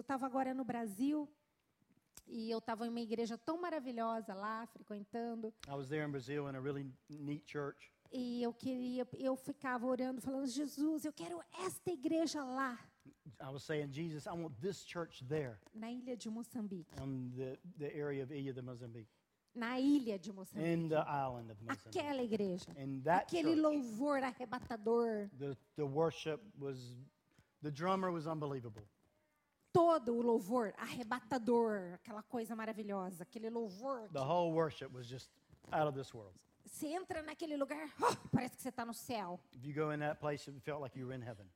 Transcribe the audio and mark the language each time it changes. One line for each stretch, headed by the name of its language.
Portuguese: Eu estava agora no Brasil e eu estava em uma igreja tão maravilhosa lá, frequentando.
English: I was there in Brazil in a really neat church.
Portuguese: E eu ficava orando, falando, Jesus, eu quero esta igreja lá.
English: I was saying, Jesus, I want this church there.
Portuguese: Na ilha de Moçambique.
English: On the area of Ilha de Moçambique.
Portuguese: Na ilha de Moçambique.
English: In the island of Moçambique.
Portuguese: Aquela igreja.
English: In that
Portuguese: Aquele
English: church.
Portuguese: Louvor arrebatador.
English: The worship was, the drummer was unbelievable.
Portuguese: Todo o louvor arrebatador, aquela coisa maravilhosa, aquele louvor.
English: The whole worship was just out of this world.
Portuguese: Você entra naquele lugar, oh, parece que você está no céu.
English: If you go in that place, it felt like you were in heaven.